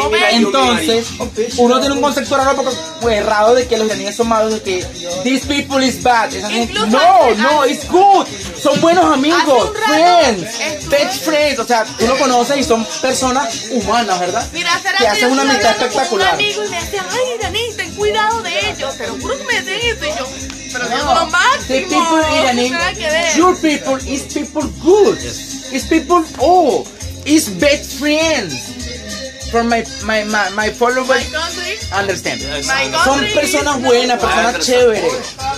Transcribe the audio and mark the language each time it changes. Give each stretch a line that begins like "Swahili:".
Spanish: Entonces, uno tiene un concepto raro, porque, errado de que los iraníes son malos, de que
English: this people is bad.
Spanish: Esa gente, no, no,
English: it's good.
Spanish: Son buenos amigos,
English: friends, best friends.
Spanish: O sea, tú lo conoces y son personas humanas, ¿verdad? Mira, que hacen una amistad espectacular. Un amigo y me dice, ay, iraní, ten cuidado de ellos. Pero juro que me decían eso y yo. Pero no,
English: people iraní, your people is people good, is people is best friends from my followers. My country, understand. My
Spanish: son personas buenas, personas chéveres.